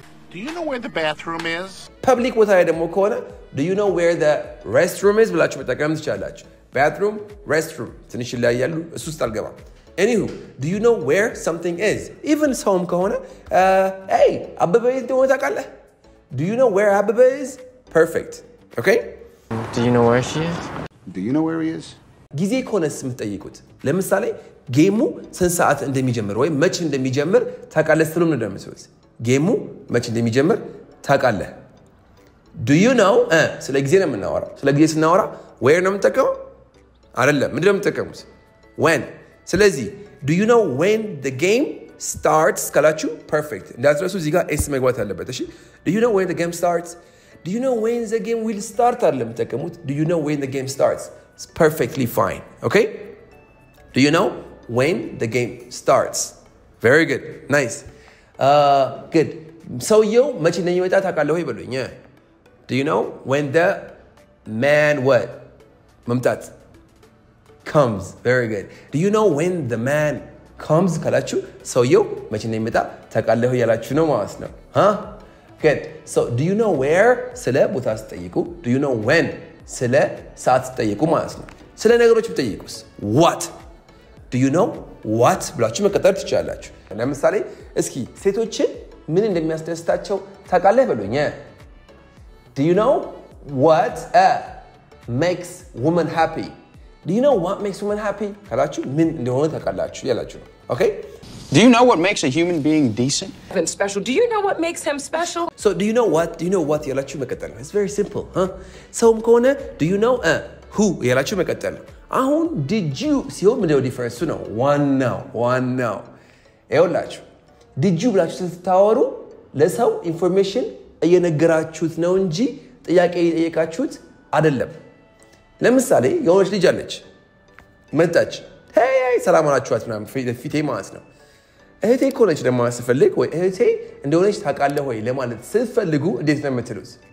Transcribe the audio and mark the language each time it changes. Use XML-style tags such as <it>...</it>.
<en>Do you know where the bathroom is?</en> <am>ፐብሊክ ቦታ ላይ ደግሞ ከሆነ</am> <en>do you know where the restroom is?</en> <am>ብላችሁ መጠቀም ትችላላችሁ። Bathroom, restroom ትንሽ ይለያያሉ። እሱ ውስጥ አልገባም።</am> <en>Anywho, do you know where something is?</en> <am>Even ሰውም ከሆነ hey, አበበ የት እንደሆነ ታውቃለህ?</am> <en>Do you know where Abba is? Perfect. Okay? Do you know where she is? Do you know where he is?</en> <am>ጊዜ ኮነስ የምትጠይቁት ለምሳሌ ጌሙ ስንት ሰዓት እንደሚጀምር ወይ መቼ እንደሚጀምር ታውቃለህ ስለሆነ እንደምትሉት ጌሙ መቼ እንደሚጀምር ታውቃለህ።</am> <en>Do you know</en> <am>ስለ ጊዜ ነው የምናወራው። ስለ ጊዜ ስናወራ where ነው የምንጠቀመው አይደለም። ምንድን ነው የምንጠቀመው?</am> <en>When.</en> <am>ስለዚህ</am> <en>do you know when the game starts</en> <am>ካላችሁ perfect እንዳትረሱ። እዚህ ጋር s መግባት አለበት። እሺ</am> <en>do you know when the game starts? Do you know when the game will start?</en> <am>አለም ተቀሙት</am> <en>do you know when the game starts? It's perfectly fine. Okay? Do you know when the game starts? Very good. Nice. Good. So you</en> <am>መቼ ነው የሚወጣ ታውቃለህ ወይ በሉኝ።</am> <en>Do you know when the man what? መምጣት comes. Very good. Do you know when the man comes</en> <am>ካላችሁ ሰውየው መቼ እንደሚመጣ ታውቃለህ ያላችሁ ነው ማለት ነው።</am> <en>ሃ ገድ ሶ ዱ ዩ ኖ ዌር</en> <am>ስለ ቦታ ስትጠይቁ፣</am> <en>ዱ ዩ ኖ ዌን</en> <am>ስለ ሰዓት ስትጠይቁ ማለት ነው። ስለ ነገሮች ብትጠይቁስ ዋት?</am> <en>ዱ ዩ ኖ ዋት</en> <am>ብላችሁ መቀጠር ትችላላችሁ። ለምሳሌ እስኪ ሴቶችን ምን እንደሚያስደስታቸው ታውቃለህ በሉኝ።</am> <en>ዱ ዩ ኖ ዋት ሜክስ ውመን ሃፒ? Do you know what makes a woman happy?</en> <am>ካላችሁ ምን እንደሆነ ታውቃላችሁ ያላችሁ ነው። Okay?</am> <en>Do you know what makes a human being decent? And special. Do you know what makes him special? So, do you know what? Do you know what</en> <am>ያላችሁ መቀጠል ነው?</am> <en>It's very simple, huh?</en> <am>ሰውም ከሆነ</am> <en>do you know who</en> <am>ያላችሁ መቀጠል ነው። አሁን</am> <en>did you</en> <am>ሲሆን ምንድነው ዲፈረንሱ ነው? ዋናው ይኸውላችሁ</am> <en>did you</en> <am>ብላችሁ ስታወሩ ለሰው ኢንፎርሜሽን እየነገራችሁት ነው እንጂ ጥያቄ እየጠየቃችሁት አይደለም። ለምሳሌ የሆነች ልጅ አለች መጣች። ሄይ ሰላም አላችኋት ምናምን ፊቴ ማለት ነው። እህቴ እኮ ነች ደግሞ ስፈልግ ወይ እህቴ እንደሆነች ታውቃለህ ወይ ለማለት ስትፈልጉ እንዴት ነው የምትሉት?</am>